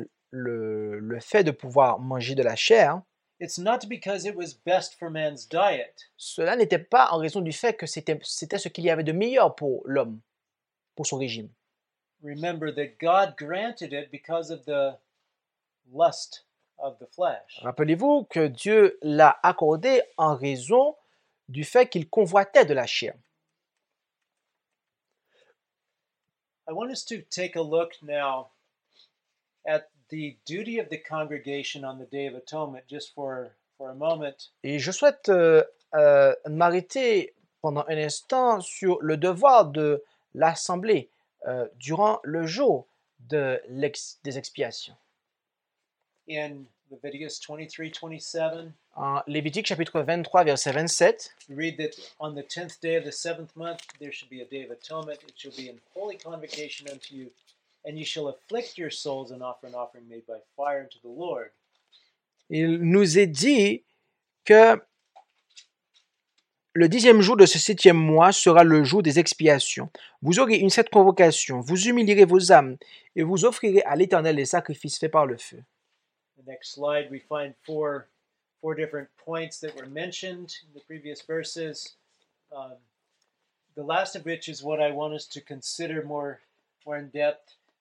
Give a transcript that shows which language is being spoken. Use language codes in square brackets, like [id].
[fr] le fait de pouvoir manger de la chair, [en] it's not because it was best for man's diet. [fr] Cela n'était pas en raison du fait que c'était ce qu'il y avait de meilleur pour l'homme, pour son régime. [en] Remember that God granted it because of the lust of the flesh. [fr] Rappelez-vous que Dieu l'a accordé en raison du fait qu'il convoitait de la chair. [en] I want us to take a look now at the duty of the congregation on the Day of Atonement, just for a moment. [fr] Et je souhaite m'arrêter pendant un instant sur le devoir de l'assemblée durant le jour des expiations. [en] In Leviticus 23:27. [fr] En Lévitique chapitre 23 verset 27. [en] Read that on the 10th day of the 7th month there should be a day of atonement. It shall be an holy convocation unto you. And you shall afflict your souls and offer an offering made by fire unto the Lord. [fr] Il nous est dit que le 10e jour de ce 7e mois sera le jour des expiations. Vous aurez une sainte convocation, vous humilierez vos âmes et vous offrirez à l'Éternel les sacrifices faits par le feu. [en] The next slide, we find four different points that were mentioned in the previous verses. The last of which is what I want us to consider more in depth.